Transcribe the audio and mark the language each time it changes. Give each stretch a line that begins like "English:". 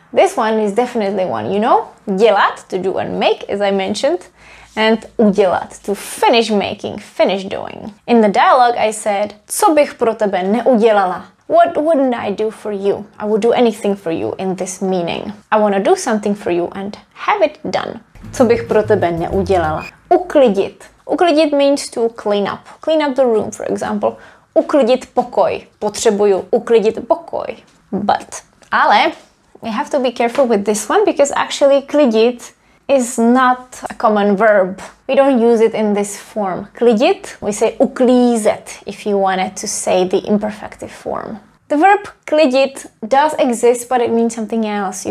English: This one is definitely one, you know, dělat, to do and make, as I mentioned, and udělat, to finish making, finish doing. In the dialogue, I said,
Czech: co bych pro tebe neudělala?
English: What wouldn't I do for you? I would do anything for you in this meaning. I want to do something for you and have it done.
Czech: Co bych pro tebe neudělala?
English: Uklidit. Uklidit means to clean up. Clean up the room, for example.
Czech: Uklidit pokoj. Potřebuju uklidit pokoj.
English: But, ale... We have to be careful with this one because actually klidit is not a common verb. We don't use it in this form. Klidit, we say uklízet if you wanted to say the imperfective form. The verb klidit does exist, but it means something else.